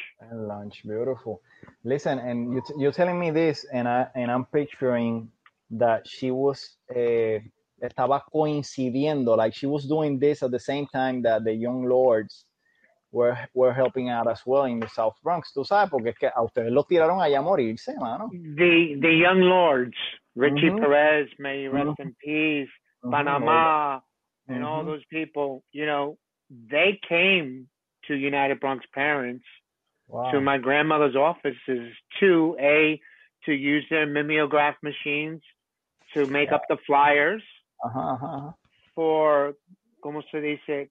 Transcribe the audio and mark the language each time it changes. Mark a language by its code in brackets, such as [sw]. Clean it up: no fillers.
[en] And lunch, beautiful. Listen, and you're telling me this, and I'm picturing that she was [es] estaba coincidiendo, [en] like she was doing this at the same time that the young lords were helping out as well in the South Bronx. [es] ¿Tú sabes? Porque es que a ustedes los tiraron allá a morirse, mano. [en] The young lords, Richie Perez, may he rest in peace, Panama, and all those people, you know, they came to United Bronx Parents, to my grandmother's offices, to use their mimeograph machines to make up the flyers for, [es] ¿cómo se dice?